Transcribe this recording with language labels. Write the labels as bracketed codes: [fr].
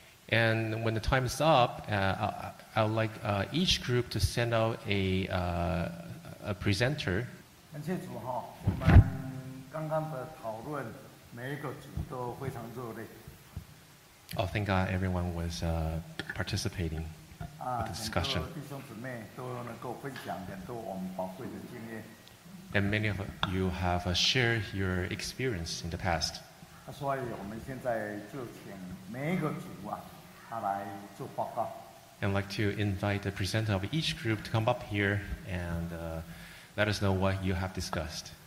[en] And when the time is up, I would like each group to send out a presenter. [zh] 感谢主哈，我们刚刚的讨论，每一个组都非常热烈。 [en] Oh, thank God, everyone was participating with the discussion. [zh] 弟兄姊妹都能够分享很多我们宝贵的经验。And [en] many of you have shared your experience in the past. [zh] 所以我们现在就请每一个组啊。 [en] And I'd like to invite the presenter of each group to come up here and let us know what you have discussed.